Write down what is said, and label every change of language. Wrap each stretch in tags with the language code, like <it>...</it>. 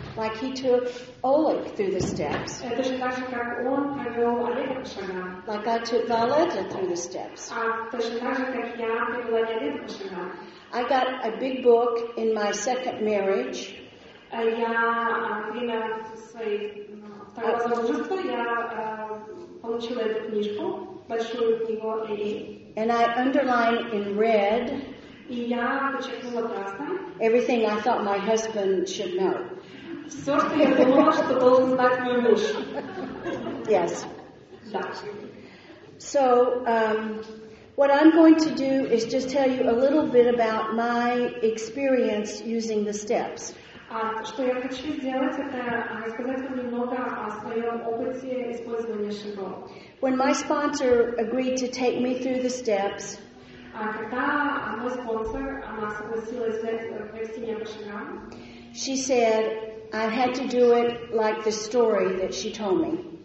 <en>Like he took Oleg through the steps.</en> <ru>Это же так же, как он провел Олега по шагам.</ru> <en>Like I took Violetta through the steps.</en> <ru>Это же так же, как я провела Violetta по шагам.</ru> <en>I got a Big Book in my second marriage.</en> <ru>Я время своей второго замужества я получила эту книжку, большую книгу Эли.</ru> <en>And I underline in red.</en> <ru>И я подчеркнула красным.</ru> <en>Everything I thought my husband should know.</en> <ru>Все, что я думала, что должен знать мой муж.</ru> <en>Yes.</en> <ru>Да.</ru> <en>So. What I'm going to do is just tell you a little bit about my experience using the steps.</en> <ru>Что я хочу сделать, это рассказать вам немного о своем опыте использования шагов.</ru> <en>When my sponsor agreed to take me through the steps,</en> <ru>когда мой спонсор согласилась вести меня по шагам,</ru> <en>she said, I had to do it like the story that she told me.</en>